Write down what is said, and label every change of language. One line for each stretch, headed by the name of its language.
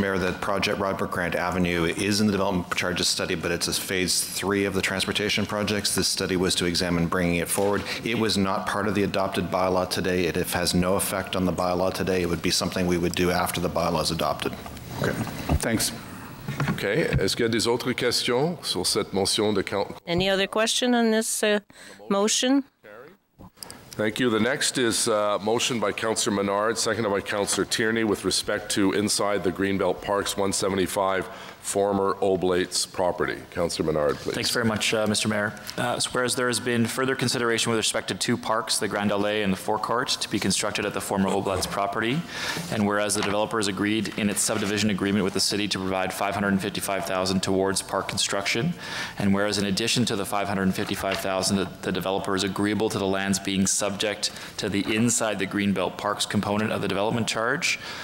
English: Mayor, the project Robert Grant Avenue is in the development charges study, but it's a phase three of the transportation projects. This study was to examine bringing it forward. It was not part of the adopted bylaw today. It has no effect on the bylaw today. It would be something we would do after the bylaw is adopted. Okay. Thanks. Okay.
French: Est-ce qu'il y a des autres questions sur cette motion de council?
English: Any other question on this motion? Thank you. The next is a motion by Councillor Menard, seconded by Councillor Tierney, with respect to Inside the Greenbelt Parks 175, former Oblates property. Councillor Menard, please. Thanks very much, Mr. Mayor. Whereas there has been further consideration with respect to two parks, the Grand Allée and the Forecourt, to be constructed at the former Oblates property, and whereas the developers agreed in its subdivision agreement with the city to provide $555,000 towards park construction, and whereas in addition to the $555,000, the developer is agreeable to the lands being subject to the Inside the Greenbelt Parks component of the development charge,